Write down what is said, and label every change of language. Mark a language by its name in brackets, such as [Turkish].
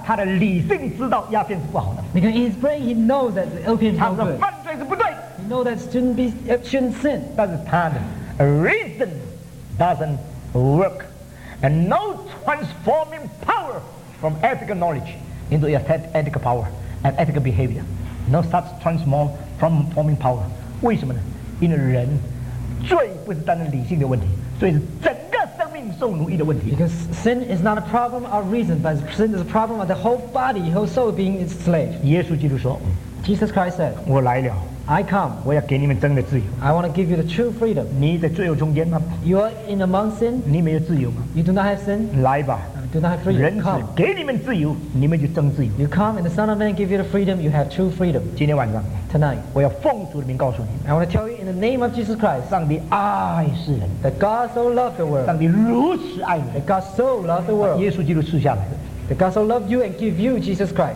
[Chinese] 他的理性知道鸦片是不好的。 [English] Because in his brain he knows that the opium is not good. [Chinese] 他说犯罪是不对。 [English] He knows that shouldn't sin. [Chinese] 但是他的 [English] reason doesn't work, and no transforming power from ethical knowledge into ethical power and ethical behavior. No such transforming power. [Chinese] 为什么呢？因为人罪不是单单理性的问题，罪是整个生命受奴役的问题。 [English] Because sin is not a problem of reason, but sin is a problem of the whole body, whole soul being its slave. [Chinese] 耶稣基督说 [English] ，Jesus Christ said, [Chinese] 我来了。 [English] I come. [Chinese] 我要给你们真的自由。 [English] I want to give you the true freedom. [Chinese] 你在罪恶中间吗 [English] ？You are in among sin. [Chinese] 你没有自由吗 [English] ？You do not have sin. [Chinese] 来吧。 [English] Do not have freedom. [Chinese] 人子给你们自由，你们就真自由。 [English] You come and the Son of Man give you the freedom. You have true freedom. [Chinese] 今天晚上 [English] ，Tonight， [Chinese] 我要奉主的名告诉你。 [English] I want to tell you in the name of Jesus Christ. [Chinese] 上帝爱世人。 [English] That God so loved the world. [Chinese] 上帝如此爱你。 [English] That God so loved the world. [Chinese] 耶稣基督赐下来的。 [English] The God so loved you and give you Jesus Christ.